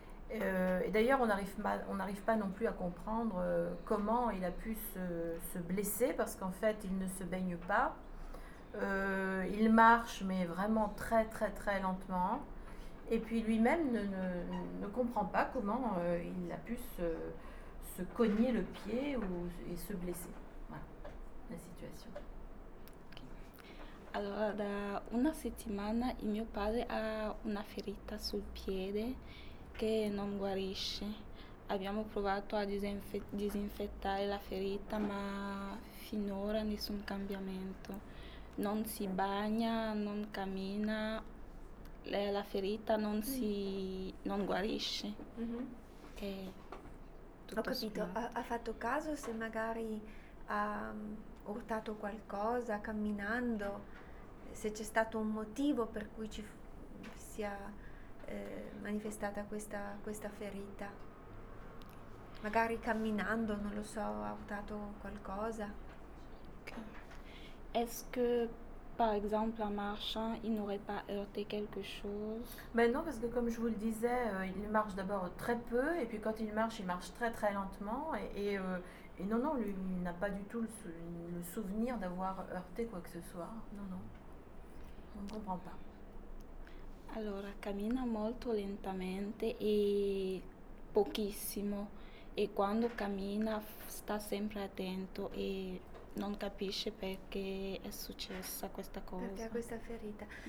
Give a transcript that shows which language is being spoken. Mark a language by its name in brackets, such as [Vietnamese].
[French] Et d'ailleurs, on n'arrive pas non plus à comprendre comment il a pu se blesser, parce qu'en fait, il ne se baigne pas. Il marche, mais vraiment très, très, très lentement. Et puis lui-même ne comprend pas comment il a pu se cogner le pied et se blesser. Voilà la situation. [Italian] Allora, da una settimana il mio padre ha una ferita sul piede che non guarisce. Abbiamo provato a disinfettare la ferita, ma finora nessun cambiamento. Non si bagna, non cammina, la ferita non guarisce. È tutto Ho capito, sommato. ha fatto caso se magari ha urtato qualcosa camminando, se c'è stato un motivo per cui ci sia manifestata questa ferita. Magari camminando, non lo so, ha urtato qualcosa. [French] Est-ce que, par exemple, en marchant, il n'aurait pas heurté quelque chose? Ben non, parce que comme je vous le disais, il marche d'abord très peu, et puis quand il marche très très lentement. Et non, lui, il n'a pas du tout le souvenir d'avoir heurté quoi que ce soit. Non, on ne comprend pas. [Italian] Allora, cammina molto lentamente e pochissimo, e quando cammina sta sempre attento e non capisce perché è successa questa Perché ha cosa. questa ferita.